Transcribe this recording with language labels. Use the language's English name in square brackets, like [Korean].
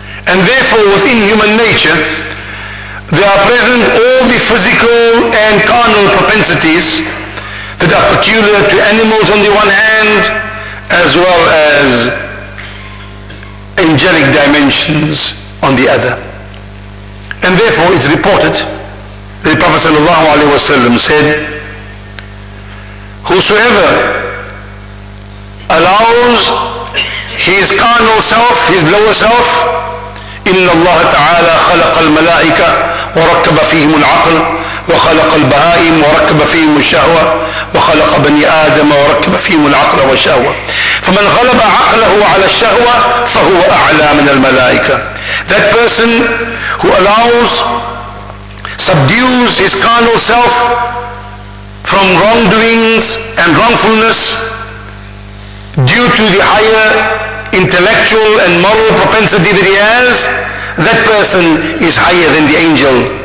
[English] And therefore within human nature there are present all the physical and carnal propensities that are peculiar to animals on the one hand as well as angelic dimensions on the other. And therefore it's reported that the Prophet sallallahu alaihi wasallam said, whosoever allows his carnal self, his lower self, [Arabic] إن الله تعالى خلق الملائكة وركب فيهم العقل وخلق البهائم وركب فيهم الشهوة وخلق بني آدم وركب فيهم العقل والشهوة فمن غلب عقله على الشهوة فهو أعلى من الملائكة. [English] That person who allows, subdues his carnal self from wrongdoings and wrongfulness due to the higher intellectual and moral propensity that he has, that person is higher than the angel.